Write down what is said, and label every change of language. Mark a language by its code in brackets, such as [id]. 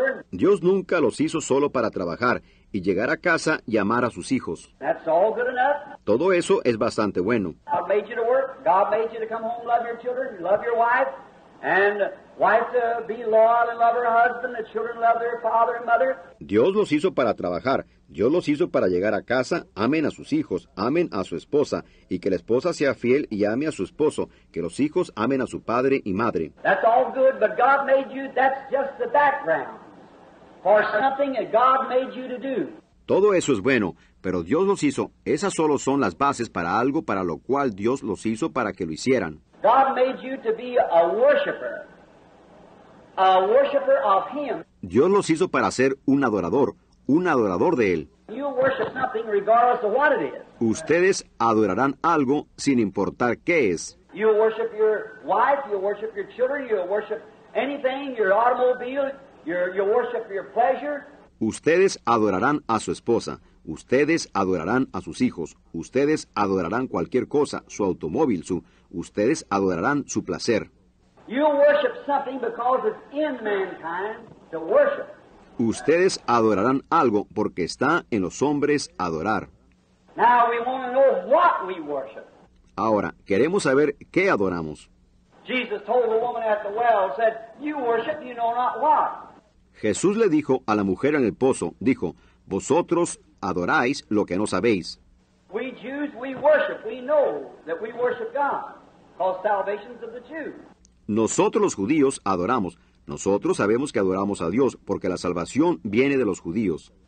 [es] Dios nunca los hizo solo para trabajar y llegar a casa y amar a sus hijos. [en] That's all good enough. [es] Todo eso es bastante bueno. [en] God made you to work. God made you to come home, love your children, love your wife, and wife to be loyal and love her husband. The children love their father and mother. [es] Dios los hizo para trabajar. Dios los hizo para llegar a casa, amen a sus hijos, amen a su esposa, y que la esposa sea fiel y ame a su esposo, que los hijos amen a su padre y madre. [en] That's all good, but God made you, that's just the background for something that God made you to do. [es] Todo eso es bueno, pero Dios los hizo, esas solo son las bases para algo para lo cual Dios los hizo para que lo hicieran. [en] God made you to be a worshiper of Him. [es] Dios los hizo para ser un adorador de Él. [en] You worship something regardless of what it is. [es] Ustedes adorarán algo sin importar qué es. [en] You worship your wife, you worship your children, you worship anything, your automobile, you worship your pleasure. [es] Ustedes adorarán a su esposa, ustedes adorarán a sus hijos, ustedes adorarán cualquier cosa, su automóvil, ustedes adorarán su placer. [en] You worship something because it's in mankind to worship. [es] Ustedes adorarán algo porque está en los hombres adorar. [en] Now we want to know what we worship. [es] Ahora, queremos saber qué adoramos. [en] Jesus told the woman at the well, said, you worship, you know not what. [es] Jesús le dijo a la mujer en el pozo, dijo, vosotros adoráis lo que no sabéis. [en] We Jews, we worship. We know that we worship God, because salvation's of the Jews. [es] Nosotros los judíos adoramos. Nosotros sabemos que adoramos a Dios, porque la salvación viene de los judíos.